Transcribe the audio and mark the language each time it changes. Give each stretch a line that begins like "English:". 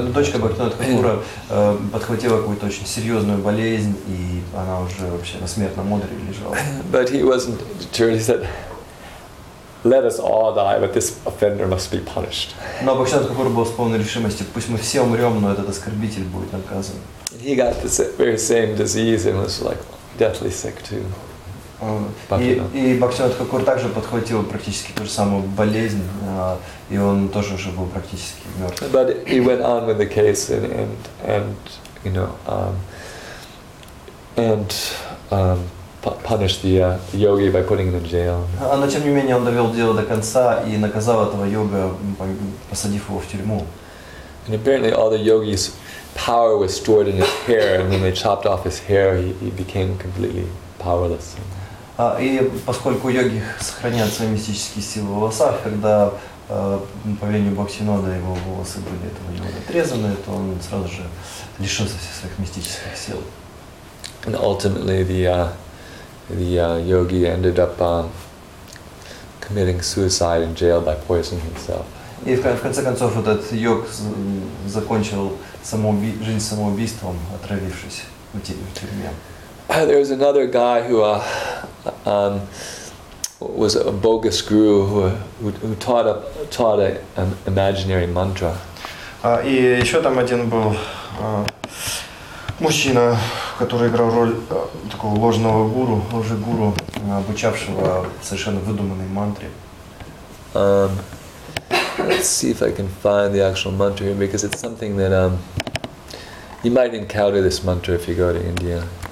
Russian: Дочка Бхактивинода Такура подхватила какую-то очень серьезную болезнь, и она уже вообще на смертном одре лежала.
English: But he wasn't deterred. He said, let us all die, but this offender must be punished.
Russian: Но Бхактивинода Такура был с полной решимостью, пусть мы все умрем, но этот оскорбитель будет наказан.
English: He got the very same disease and was like deathly sick too.
Russian: И Бхактивинода Такур также подхватил практически ту же самую болезнь, и он тоже уже был практически мертв.
English: But he went on with the case and punished the yogi by putting him in jail.
Russian: Но тем не менее он довел дело до конца и наказал этого йога, посадив его в тюрьму.
English: And apparently all the yogis' power was stored in his hair, and when they chopped off his hair, he became completely powerless.
Russian: И поскольку йоги сохраняют свои мистические силы в волосах, когда по велению Бхактивинода его волосы были этого йога отрезаны, то он сразу же лишился всех своих мистических сил.
English: And ultimately, the yogi ended up committing suicide in jail by poisoning himself.
Russian: И в конце концов этот йог закончил жизнь самоубийством, отравившись в тюрьме.
English: There was another guy who was a bogus guru who taught an imaginary mantra.
Russian: И еще там один был мужчина, который играл роль такого ложного гуру, лжегуру, обучавшего совершенно выдуманной мантре.
English: let's see if I can find the actual mantra here, because it's something that you might encounter this mantra if you go to India.